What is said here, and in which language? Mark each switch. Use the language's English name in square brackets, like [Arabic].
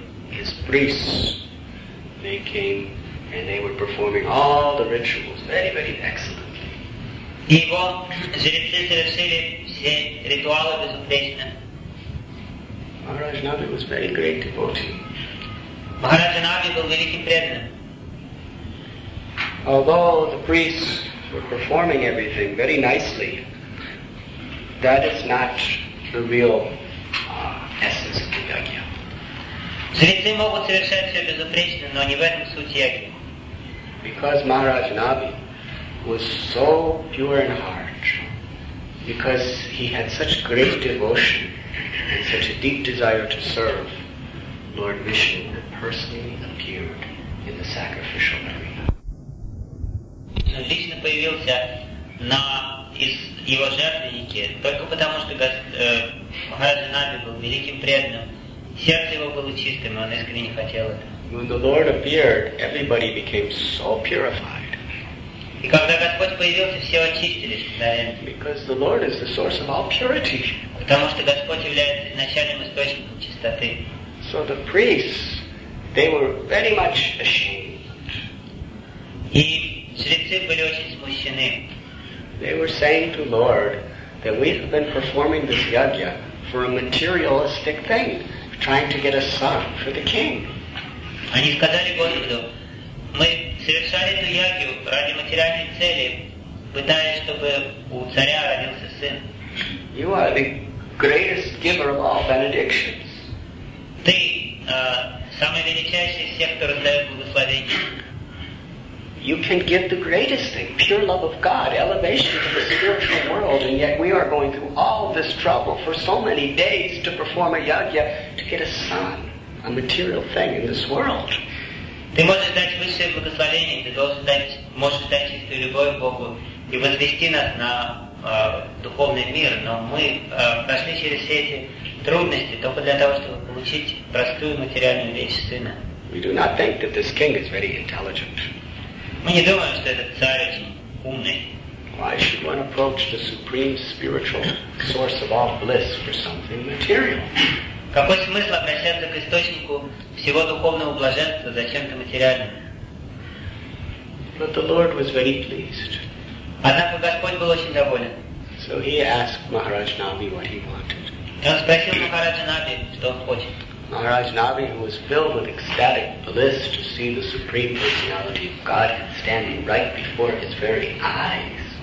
[English] His priests, they came and they were performing all the rituals very, very excellently. [Russian] И его жрецы совершили все ритуалы безупречно. [English] Maharaj Navi was very great devotee. [Russian] Maharaj Navi был великим преданным. [English] Although the priests were performing everything very nicely, that is not the real essence of the yajna. [Russian] Жрецы могут совершать все безупречно, но не в этом суть яги. [English] Because Maharaj Navi was so pure in heart, because he had such great devotion and such a deep desire to serve, Lord Vishnu personally appeared in the sacrificial arena. [Russian] Лично появился на из его жертвенники, только потому, что Махараджа Нави был великим преданным. Сердце его было чистым, и он искренне хотел это. [English] When the Lord appeared, everybody became so purified. [Russian] И когда Господь появился, все очистились. Да? [English] Because the Lord is the source of all purity. [Russian] Потому что Господь является изначальным источником чистоты. [English] So the priests, they were very much ashamed. [Russian] И жрецы были очень смущены. [English] They were saying to Lord that we have been performing this yajna for a materialistic thing, trying to get a son for the king. [Russian] Они сказали Господу, мы совершали эту ягью ради материальной цели, пытаясь, чтобы у царя родился сын. [English] You are the greatest giver of all benedictions. [Russian] Ты самый величайший из всех, кто раздает благословения. [English] you can give the greatest thing, pure love of God, elevation to the spiritual world, and yet we are going through all this trouble for so many days to perform a yajna to get a son, a material thing in this world. [Russian] Ты можешь дать высшее благословение, ты должен дать, можешь дать чистую любовь Богу и возвести нас на духовный мир, но мы прошли через все эти трудности только для того, чтобы получить простую материальную вещь сына. [English] We do not think that this king is very intelligent. [Russian] Мы не думаем, что этот царь очень умный. [English] Why should one approach the supreme spiritual source of all bliss for something material? [Russian] Какой смысл обращаться к источнику всего духовного блаженства за чем-то материальным? [English] But the Lord was very pleased. [Russian] Однако Господь был очень доволен. [English] So he asked Maharaj Navi what he wanted. [Russian] Он спросил Махараджа Нави, что он хочет. [English] Maharaj Navi, who was filled with ecstatic bliss to see the Supreme Personality of Godhead standing right before his very eyes.